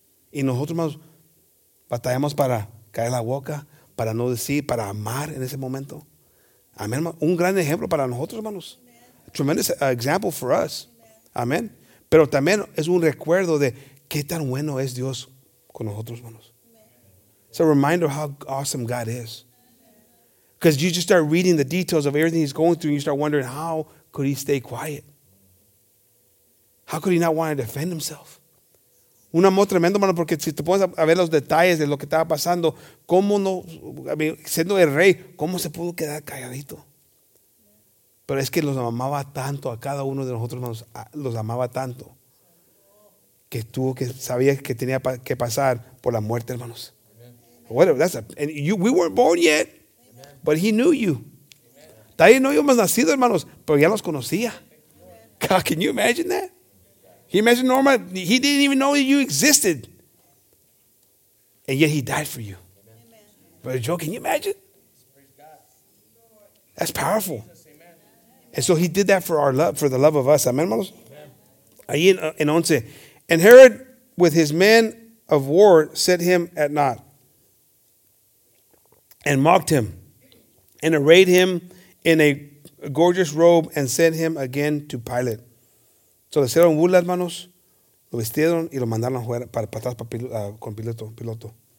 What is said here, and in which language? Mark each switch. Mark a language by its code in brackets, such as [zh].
[es] Y nosotros, hermanos, batallamos para caer la boca, para no decir, para amar en ese momento. Amén. Un gran ejemplo para nosotros, hermanos. [en] Tremendous example for us. [es] Amén. Pero también es un recuerdo de qué tan bueno es Dios con nosotros, hermanos. [en] It's a reminder of how awesome God is. Because you just start reading the details of everything he's going through and you start wondering, how could he stay quiet? How could he not want to defend himself? [es] Un amor tremendo, hermano, porque si te pones a ver los detalles de lo que estaba pasando, cómo no, [en] I mean, [es] siendo el rey, cómo se pudo quedar calladito. Pero es que los amaba tanto a cada uno de nosotros, hermanos, los amaba tanto que tuvo que, sabía que tenía que pasar por la muerte, hermanos. [en] Whatever, that's a, and you, we weren't born yet. But he knew you. [es] Todavía no habíamos nacido, hermanos, pero ya los conocía. [en] God, can you imagine that? He imagined Norma, he didn't even know that you existed. And yet he died for you. Amen. Brother Joe, can you imagine? That's powerful. And so he did that for our love, for the love of us. Amen, hermanos? [es] Ahí en 11. [en] And Herod, with his men of war, set him at naught and mocked him, and arrayed him in a gorgeous robe and sent him again to Pilate. [es] So le hicieron burla, hermanos, lo vestieron y lo mandaron a jugar para atrás con Piloto.